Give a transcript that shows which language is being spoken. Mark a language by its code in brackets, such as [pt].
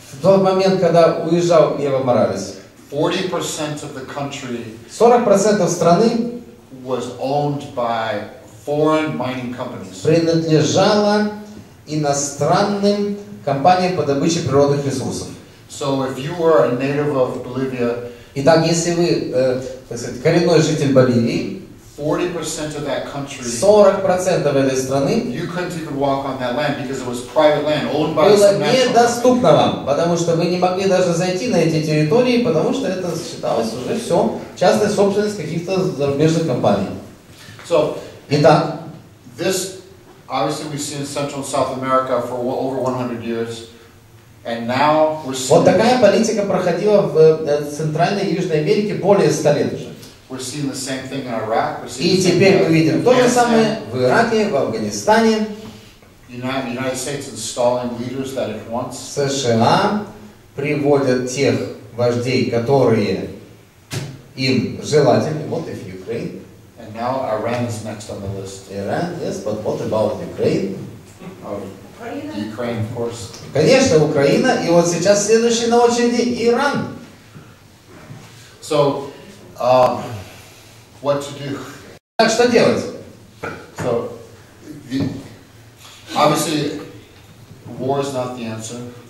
[ru] В тот момент, когда уезжал Ева Моралес. [en] 40% of the country. [ru] 40% страны. [en] Was owned by foreign mining companies. [ru] Принадлежало иностранным компаниям по добыче природных ресурсов. [en] So if you were a native of Bolivia, [ru] итак, если вы, так сказать, коренной житель Боливии, [en] 40% of that country, [ru] 40% этой страны, [en] you couldn't even walk on that land because it was private land owned by some national. [ru] Было недоступно вам, потому что вы не могли даже зайти на эти территории, потому что это считалось уже все частной собственностью каких-то зарубежных компаний. [en] So, [ru] итак, [en] this obviously we've seen in Central and South America for over 100 years. And now we're seeing. [ru] Вот такая политика проходила в Центральной и Южной Америке более 100 лет уже. [en] We're seeing the same thing in Iraq. We're seeing. [ru] И теперь мы видим то же самое в Ираке, в Афганистане. [en] United States installing leaders that it wants. [ru] США приводят тех вождей, которые им желательны. [en] What if Ukraine? And now Iran is next on the list. Iran, yes, but what about Ukraine? Ukraine, of course. [ru] Конечно, Украина, и вот сейчас следующий на очереди Иран. [en] So, what to do? [ru] Так что делать? [en] So, obviously, war is not the answer.